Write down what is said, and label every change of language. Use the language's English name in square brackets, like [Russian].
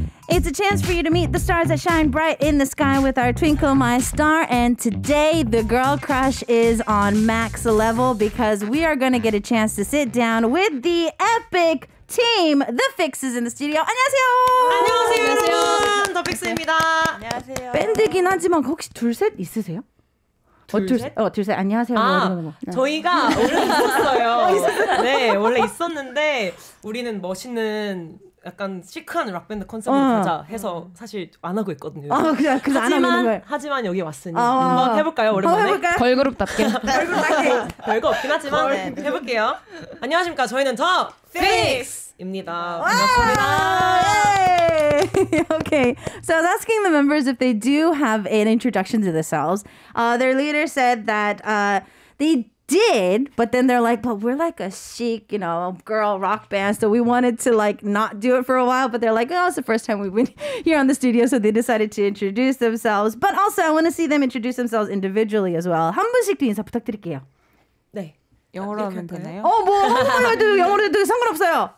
[English] It's a chance for you to meet the stars that shine bright in the sky with our Twinkle My Star. And today, the girl crush is on max level because we are going to get a chance to sit down with the epic team, The Fix is in the studio. [Korean] 안녕하세요! 안녕하세요, 여러분! 더 픽스입니다. 안녕하세요. 밴드긴 하지만 혹시 둘, 셋 있으세요? 둘, 셋. 안녕하세요. 아, 네. 저희가 원래 있었어요. 네, 원래 있었는데 우리는 멋있는 약간 시크한 락밴드 컨셉으로 가자 해서 사실 안 하고 있거든요. 아, 그냥 그 안 하는 거예요. 하지만 여기 왔으니 한번 해볼까요? 오랜만에 해볼까요? 걸그룹답게. 별거 없긴 하지만 네. 해볼게요. 안녕하십니까? 저희는 더 픽스입니다. 반갑습니다. [English] Okay, so I was asking the members if they do have an introduction to themselves. Their leader said that they did, but then they're like, but we're like a chic, you know, girl rock band, so we wanted to like not do it for a while, but they're like, oh, it's the first time we've been here on the studio, so they decided to introduce themselves. But also I want to see them introduce themselves individually as well. [Korean] 한 번씩 인사 부탁드릴게요. 네. 영어로 하면 되나요? 어, 뭐 한 번만 해도 영어로 해도 상관없어요.